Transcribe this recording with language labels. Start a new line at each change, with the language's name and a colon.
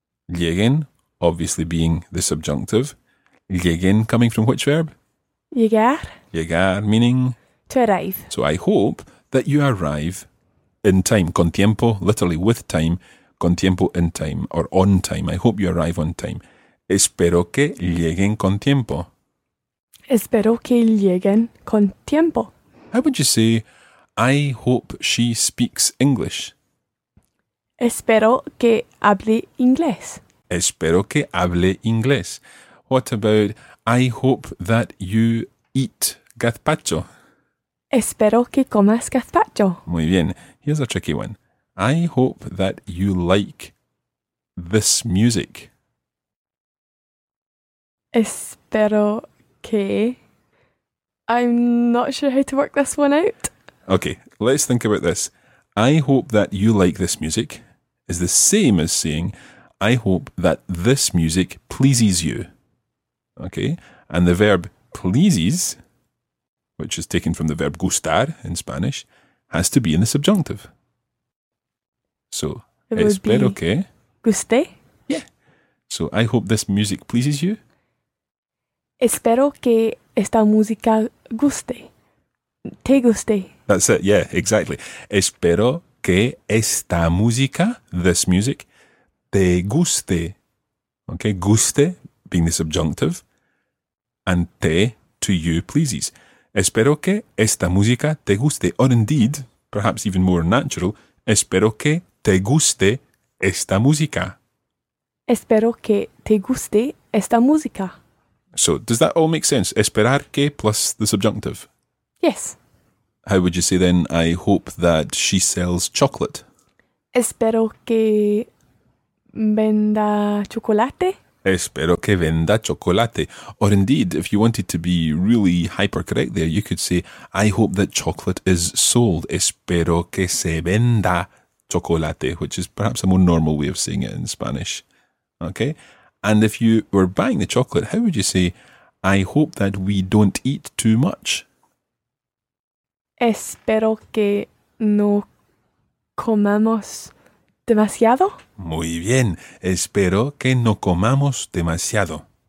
English: Lleguen, obviously being the subjunctive. Lleguen coming from which verb?
Spanish: Llegar. Llegar meaning?
English: To arrive. So I hope that you arrive in time.
Spanish: Con tiempo,
English: literally with time. Con tiempo in time or on time. I hope you arrive on time.
Spanish: Espero que lleguen con tiempo. Espero que lleguen con tiempo.
English: How would you say, I hope she speaks English?
Spanish: Espero que hable inglés. Espero que hable inglés.
English: What about, I hope that you eat gazpacho?
Spanish: Espero que comas gazpacho. Muy bien.
English: Here's a tricky one. I hope that you like this music.
Spanish: Espero que
English: I'm not sure how to work this one out. Okay, let's think about this. I hope that you like this music is the same as saying, I hope that this music pleases you. Okay, and the verb pleases, which is taken from the verb gustar in Spanish, has to be in the subjunctive.
Spanish: So, espero que guste.
English: Yeah. So, I hope this music pleases you.
Spanish: Espero que esta música guste. Te guste.
English: That's it. Yeah, exactly.
Spanish: Espero que esta música,
English: this music,
Spanish: te guste.
English: Okay, guste being the subjunctive. And te, to you, pleases.
Spanish: Espero que esta música te guste.
English: Or indeed, perhaps even more natural,
Spanish: espero que te guste esta música. Espero que te guste esta música.
English: So, does that all make sense?
Spanish: Esperar que
English: plus the subjunctive? Yes. How would you say then, I hope that she sells chocolate?
Spanish: Espero que venda chocolate. Espero que venda chocolate.
English: Or indeed, if you wanted to be really hypercorrect there, you could say, I hope that chocolate is sold.
Spanish: Espero que se venda chocolate,
English: which is perhaps a more normal way of saying it in Spanish. Okay? And if you were buying the chocolate, how would you say, I hope that we don't eat too much?
Spanish: Espero que no comamos demasiado. Muy bien. Espero que no comamos demasiado.